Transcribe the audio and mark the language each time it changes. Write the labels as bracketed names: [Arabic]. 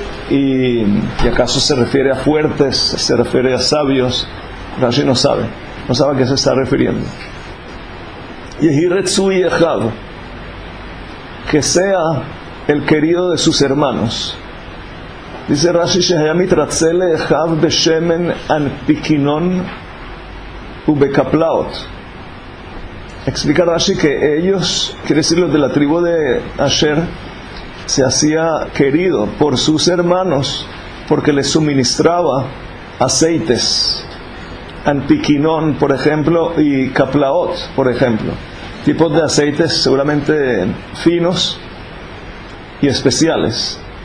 [Spanish] ¿Y acaso se refiere a fuertes, se refiere a sabios? Rashi no sabe, no sabe a qué se está refiriendo. [Hebrew] Yehi retzui echav, [Spanish] que sea el querido de sus hermanos. Dice Rashi [Hebrew] שהיה מתרצה לאחיו בשמן אנפיקינון ובקפלאות. [Spanish] Explica Rashi que ellos, quiere decir los de la tribu de Asher, se hacía querido por sus hermanos porque les suministraba aceites, anpikinon, por ejemplo, y kaplaot, por ejemplo, tipos de aceites seguramente finos y especiales.